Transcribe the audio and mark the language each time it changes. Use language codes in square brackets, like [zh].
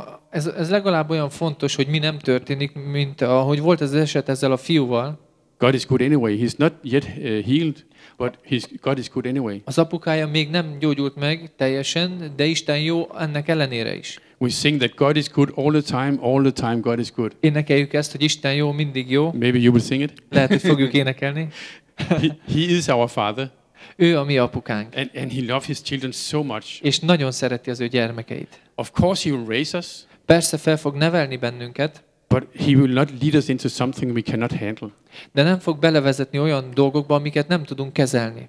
[hu] Ez legalább olyan fontos, hogy mi nem történik, mint ahogy volt az eset ezzel a fiúval. [en] God is good anyway. He's not yet healed, but God is good anyway. [hu] Az apukája még nem gyógyult meg teljesen, de Isten jó ennek ellenére is. [en] We sing that God is good all the time God is good. [hu] Énekeljük ezt, hogy Isten jó, mindig jó. [en] Maybe you will sing it. [hu] Lehet, hogy fogjuk énekelni. [en] He is our Father. [hu] Ő a mi apukánk. [en] And he loves his children so much. [hu] És nagyon szereti az ő gyermekeit. [en] Of course he will raise us. [hu] Persze fel fog nevelni bennünket. [en] But he will not lead us into something we cannot handle. [hu] De nem fog belevezetni olyan dolgokba, amiket nem tudunk kezelni.